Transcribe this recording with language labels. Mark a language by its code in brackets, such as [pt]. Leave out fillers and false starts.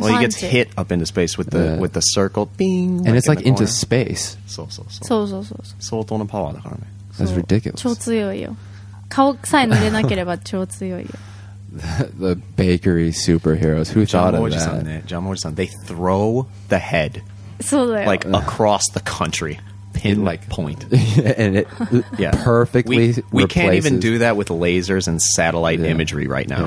[en] Well, he gets hit up into space with the circle thing. And it's like into space. [ja] そうそうそう。相当のパワーだからね。 [en] That's ridiculous. [ja] 超強いよ。顔さえ濡れなければ超強いよ。 [en] The bakery superheroes. Who thought of that? John Morrison. They throw the head like across the country, pinpoint, and it perfectly. We can't even do that with lasers and satellite imagery right now.